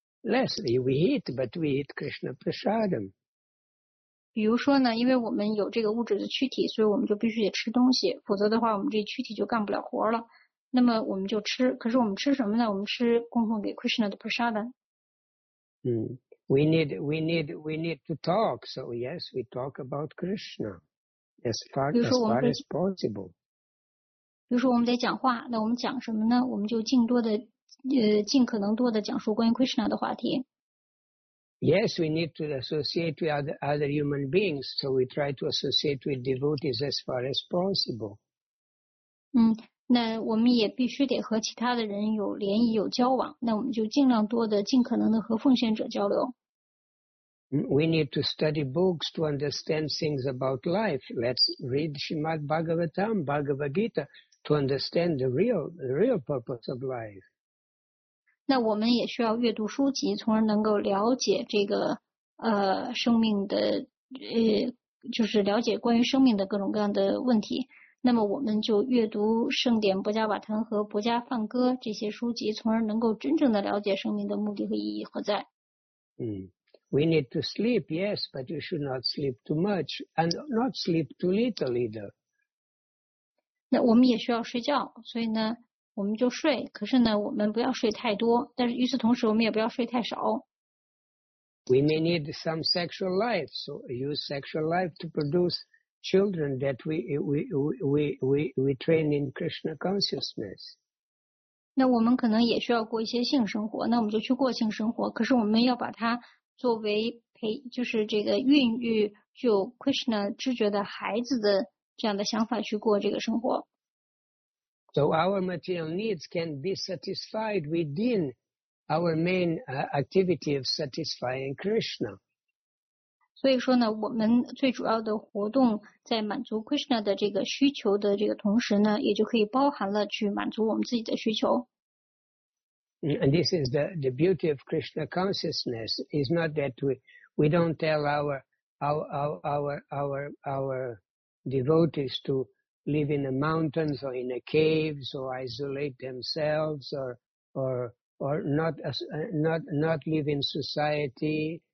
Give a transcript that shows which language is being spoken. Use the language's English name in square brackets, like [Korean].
[English] Lastly, we eat, but we eat Krishna prasadam. [Chinese] 比如说呢，因为我们有这个物质的躯体，所以我们就必须得吃东西，否则的话我们这躯体就干不了活了。那么我们就吃，可是我们吃什么呢？我们吃供奉给 Krishna 的 prasadam。 [English] We need to talk. So yes, we talk about Krishna as far as possible. [Chinese] 比如说我们得讲话，那我们讲什么呢？我们就尽可能多的讲述关于 Krishna 的话题。 [English] Yes, we need to associate with other human beings. So we try to associate with devotees as far as possible. [Chinese] 那我们也必须得和其他的人有联谊、有交往。那我们就尽量多的、尽可能的和奉献者交流。 [English] We need to study books to understand things about life. Let's read Srimad Bhagavatam, Bhagavad Gita, to understand the real purpose of life. [Chinese] 那我们也需要阅读书籍，从而能够了解这个生命的就是了解关于生命的各种各样的问题。那么我们就阅读圣典《薄伽瓦坛》和《薄伽梵歌》这些书籍，从而能够真正的了解生命的目的和意义何在。 [English] We need to sleep, yes, but you should not sleep too much and not sleep too little either. [Chinese] 那我们也需要睡觉，所以呢，我们就睡。可是呢，我们不要睡太多，但是与此同时，我们也不要睡太少。 [English] We may need some sexual life, so use sexual life to produce children that we train in Krishna consciousness. [Chinese] 那我们可能也需要过一些性生活，那我们就去过性生活。可是我们要把它作为就是这个孕育具有 Krishna 知觉的孩子的这样的想法去过这个生活。 [English] So our material needs can be satisfied within our main activity of satisfying Krishna. [Chinese] 所以说呢，我们最主要的活动在满足 Krishna 的这个需求的这个同时呢，也就可以包含了去满足我们自己的需求。 [English] And this is the beauty of Krishna consciousness. It's not that we don't tell our devotees to live in the mountains or in the caves or isolate themselves or not live in society.